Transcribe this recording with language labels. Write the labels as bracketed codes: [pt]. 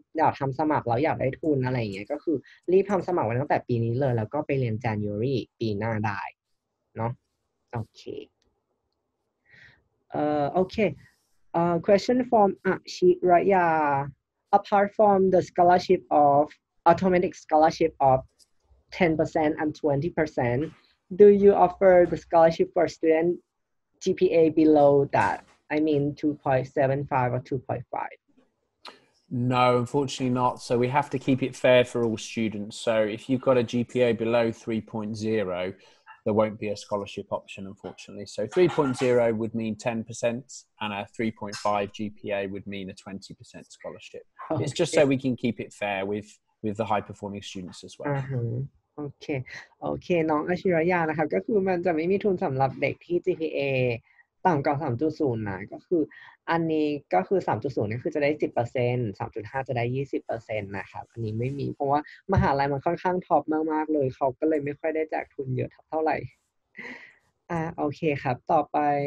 [th] กทำสมัครแล้วอยากได้ทุนอะไรอย่างเงี้ยก็คือรีบทำสมัครไว้ตั้งแต่ปีนี้เลยแล้วก็ไปเรียน January ปีหน้าได้เนาะโอเคโอเค [en] question from Ashiraya apart from the scholarship of automatic scholarship of 10% and 20% do you offer the scholarship for studentGPA below that, I mean 2.75 or 2.5? No, unfortunately not. So we have to keep it fair for all students. So if you've got a GPA below 3.0, there won't be a scholarship option, unfortunately. So 3.0 would mean 10% and a 3.5 GPA would mean a 20% scholarship. Okay. It's just so we can keep it fair with the high performing students as well. Uh-huh. [th] โอเคโอเคน้องอาชิระยานะครับก็คือมันจะไม่มีทุนสำหรับเด็กที่ GPA ต่ำกว่า 3.0 นะก็คืออันนี้ก็คือ 3.0 นี่คือจะได้ 10% 3.5 จะได้ 20% นะครับอันนี้ไม่มีเพราะว่ามหาลัยมันค่อนข้างท็อปมากๆเลยเขาก็เลยไม่ค่อยได้แจกทุนเยอะเท่าไหร่โอเคครับต่อไป